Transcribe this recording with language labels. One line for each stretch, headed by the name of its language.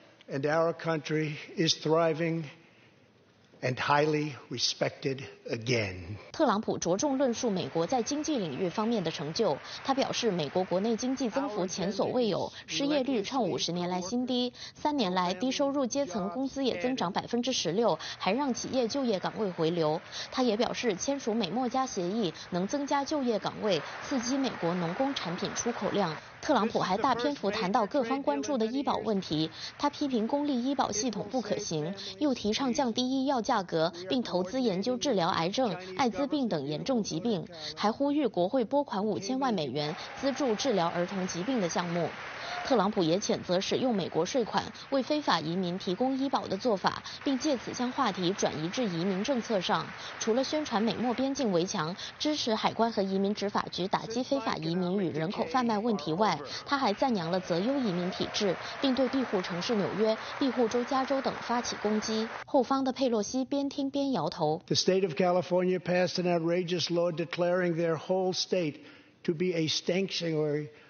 English: And our country is thriving and highly respected again.
Chinese: 特朗普着重论述美国在经济领域方面的成就。他表示，美国国内经济增幅前所未有，失业率创50年来新低，3年来低收入阶层工资也增长16%，还让企业就业岗位回流。他也表示，签署美墨加协议能增加就业岗位，刺激美国农工产品出口量。特朗普还大篇幅谈到各方关注的医保问题，他批评公立医保系统不可行，又提倡降低医药价格，并投资研究治疗癌症、艾滋病等严重疾病，还呼吁国会拨款5000万美元资助治疗儿童疾病的项目。特朗普也谴责使用美国税款为非法移民提供医保的做法，并借此将话题转移至移民政策上。除了宣传美墨边境围墙、支持海关和移民执法局打击非法移民与人口贩卖问题外，他还赞扬了择优移民体制，并对庇护城市纽约、庇护州加州等发起攻击。后方的佩洛西边听边摇头。
English: The state of California passed an outrageous law declaring their whole state to be a sanctuary.